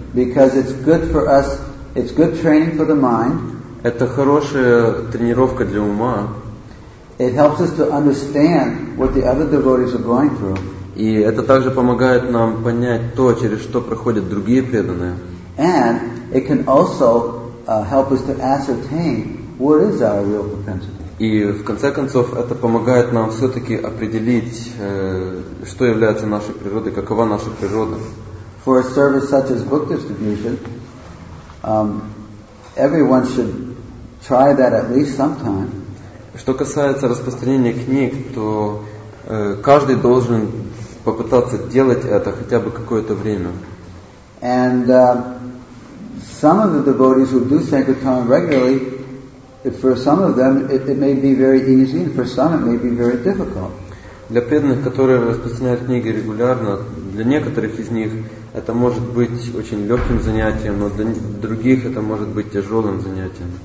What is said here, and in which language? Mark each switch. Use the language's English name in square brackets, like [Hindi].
[English] Because it's good for us, it's good training for the mind. [Russian] Это хорошая тренировка для ума. [English] It helps us to understand what the other devotees are going through. [Russian] И это также помогает нам понять то, через что проходят другие преданные. [English] And it can also help us to ascertain what is our real propensity. [Russian] И в конце концов это помогает нам все-таки определить, что является нашей природой, какова наша природа. [English] For a service such as book distribution, everyone should try that at least sometime. [Russian] Что касается распространения книг, то каждый должен попытаться делать это хотя бы какое-то время. [English] And some of the devotees who do sankirtan regularly, for some of them it may be very easy, and for some it may be very difficult. [Russian] Для преданных, которые распространяют книги регулярно, для некоторых из них это может быть очень легким занятием, но для других это может быть тяжелым занятием.